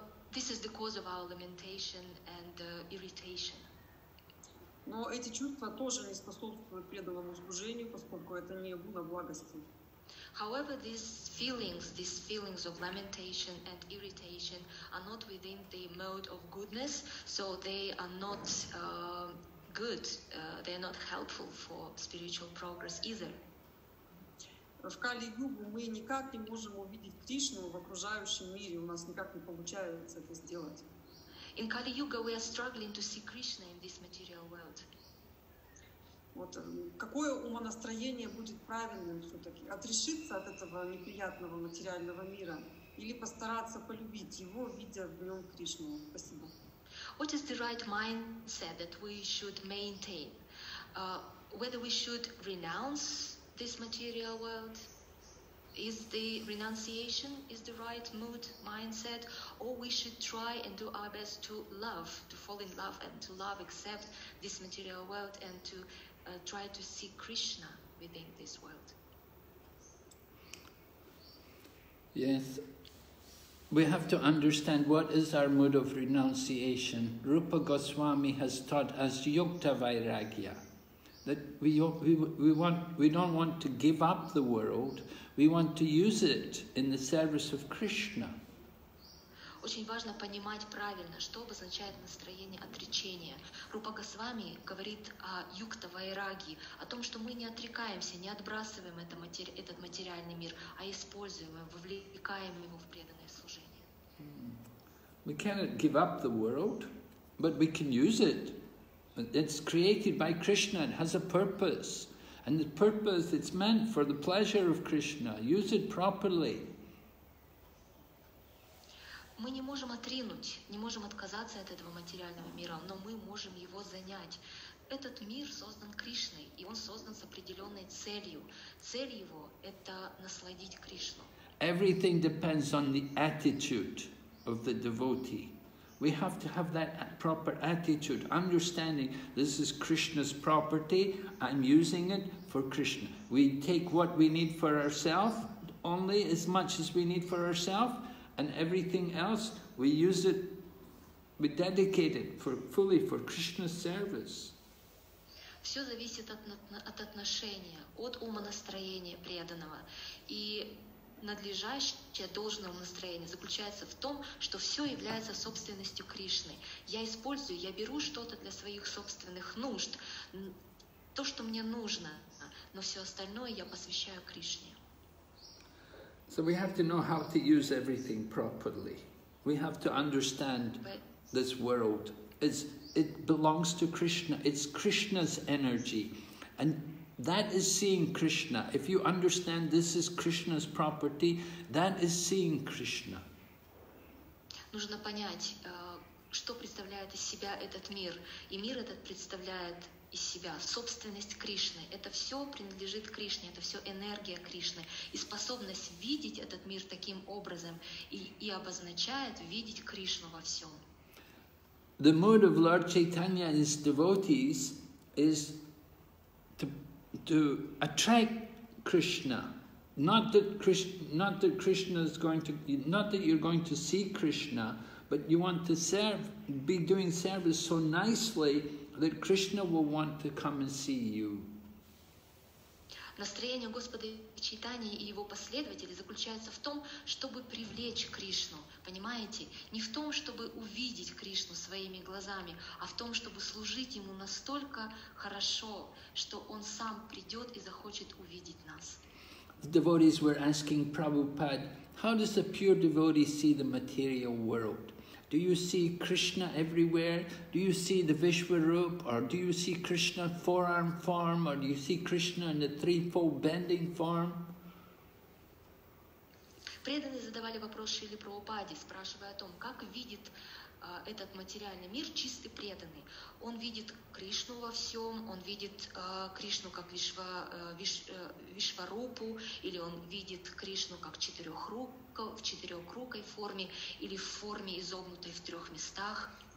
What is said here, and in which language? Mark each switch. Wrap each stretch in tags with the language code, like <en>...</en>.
<en>This is the cause of our lamentation and irritation.</en> <ru>Но эти чувства тоже не способствуют преданному служению, поскольку это не гуна благости.</ru> <en>However, these feelings of lamentation and irritation are not within the mode of goodness, so they are not good, they are not helpful for spiritual progress either.</en> <ru>В Кали-югу мы никак не можем увидеть Кришну в окружающем мире, у нас никак не получается это сделать.</ru> <en>In Kali-yuga we are struggling to see Krishna in this material world.</en> <ru>Вот какое умонастроение будет правильным все-таки? Отрешиться от этого неприятного материального мира или постараться полюбить его, видя в нем Кришну? Спасибо.</ru> <en>What is the right mindset that we should maintain? Whether we should renounce this material world? Is the renunciation is the right mood, mindset? Or we should try and do our best to love, to fall in love and to love, accept this material world and to try to see Krishna within this world. Yes. We have to understand what is our mood of renunciation. Rupa Goswami has taught us yukta vairagya, that we don't want to give up the world, we want to use it in the service of Krishna.</en> <ru>Очень важно понимать правильно, что обозначает настроение отречения. Рупа Госвами говорит о юкта вайраги, о том, что мы не отрекаемся, не отбрасываем этот материальный мир, а используем его, вовлекаем его в преданное служение.</ru> <en>We cannot give up the world, but we can use it. It's created by Krishna, it has a purpose. And the purpose, it's meant for the pleasure of Krishna. Use it properly.</en> <ru>Мы не можем отринуть, не можем отказаться от этого материального мира, но мы можем его занять. Этот мир создан Кришной, и он создан с определенной целью. Цель его – это насладить Кришну.</ru> <en>Everything depends on the attitude of the devotee. We have to have that proper attitude, understanding this is Krishna's property, I'm using it for Krishna. We take what we need for ourselves, only as much as we need for ourselves, and everything else, we use it, we dedicate it fully for Krishna's service.</en> <ru>Все зависит от отношения, от умонастроения преданного. И надлежащее должное настроение заключается в том, что все является собственностью Кришны. Я использую, я беру что-то для своих собственных нужд, то, что мне нужно, но все остальное я посвящаю Кришне.</ru> <en>So we have to know how to use everything properly. We have to understand this world. It belongs to Krishna. It's Krishna's energy. And that is seeing Krishna. If you understand this is Krishna's property, that is seeing Krishna.</en> <ru>Нужно понять, что представляет из себя этот мир. И мир этот представляет из себя собственность Кришны. Это все принадлежит Кришне, это все энергия Кришны. И способность видеть этот мир таким образом и обозначает видеть Кришну во всем.</ru> <en>The mood of Lord Chaitanya and his devotees is to attract Krishna. Not that you're going to see Krishna, but you want to be doing service so nicely that Krishna will want to come and see you.</en> <ru>Настроение Господа Чайтаньи и его последователей заключается в том, чтобы привлечь Кришну, понимаете? Не в том, чтобы увидеть Кришну своими глазами, а в том, чтобы служить ему настолько хорошо, что он сам придет и захочет увидеть нас.</ru> <en>The devotees were asking Prabhupada, how does a pure devotee see the material world? Do you see Krishna everywhere? Do you see the Vishwarupa? Or do you see Krishna forearm form? Or do you see Krishna in the threefold bending form?</en> <ru>Преданные задавали вопрос Шриле Прабхупаде, спрашивая о том, как видит этот материальный мир чистый преданный. Он видит Кришну во всем, он видит Кришну как Вишварупу, или он видит Кришну как в четырехрукой форме, или в форме изогнутой в трех местах.</ru>